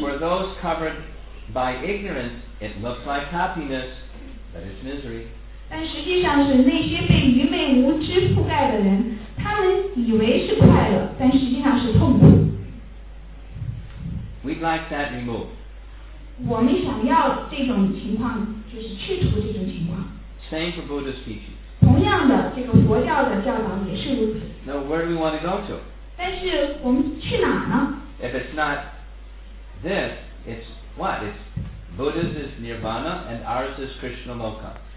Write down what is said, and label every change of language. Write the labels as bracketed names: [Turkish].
[English] for those covered by ignorance it looks like happiness but it's misery [Chinese] 但实际上是那些被愚昧无知覆盖的人他们以为是快乐但实际上是痛苦 [English] we'd like that removed [Chinese] 我们想要这种情况就是去除这种情况 [English] same for Buddhist teaching [Chinese] 同样的这个佛教的教导也是如此 [English] now where do we want to go to [Chinese] 但是我们去哪呢 [English] if it's not this it's what it's Buddhist is Nirvana and ours is Krishna Loka